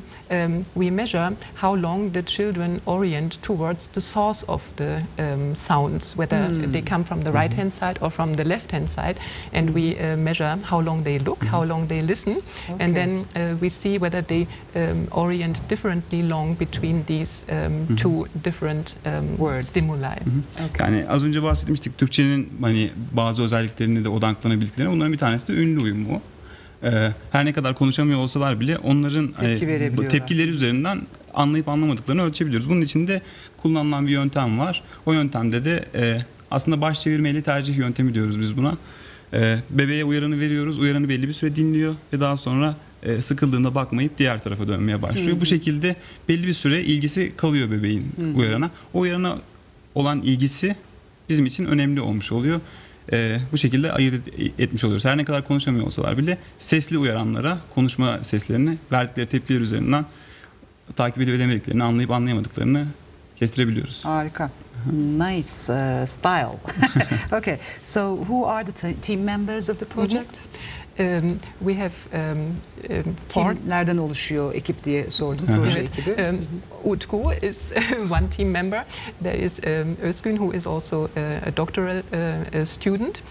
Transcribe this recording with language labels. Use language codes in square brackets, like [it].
[en] And we measure how long the children orient towards the source of the sounds, whether they come from the right-hand side or from the left-hand side, and we measure how long they look, how long they listen, and then we see whether they orient differently long between these two different words, stimuli. [tr] Yani az önce bahsetmiştik, Türkçenin hani bazı özelliklerini de odaklanabildiklerine, bunların bir tanesi de ünlü uyumu. Her ne kadar konuşamıyor olsalar bile onların tepkileri üzerinden anlayıp anlamadıklarını ölçebiliyoruz. Bunun için de kullanılan bir yöntem var. O yöntemde de aslında baş çevirmeyle tercih yöntemi diyoruz biz buna. Bebeğe uyaranı veriyoruz. Uyaranı belli bir süre dinliyor ve daha sonra sıkıldığında bakmayıp diğer tarafa dönmeye başlıyor. Bu şekilde belli bir süre ilgisi kalıyor bebeğin uyarana. O uyarana olan ilgisi bizim için önemli olmuş oluyor. Bu şekilde ayırt etmiş oluyoruz. Her ne kadar konuşamıyor olsalar bile sesli uyaranlara, konuşma seslerini verdikleri tepkiler üzerinden takip edemediklerini, anlayıp anlayamadıklarını kestirebiliyoruz. Harika. [en] Nice style. Okay, so who are the team members of the project? We have [tr] Kimlerden oluşuyor ekip diye sordum proje evet. ekibi. [en] Utku is one team member. There is Özgün who is also a doctoral student.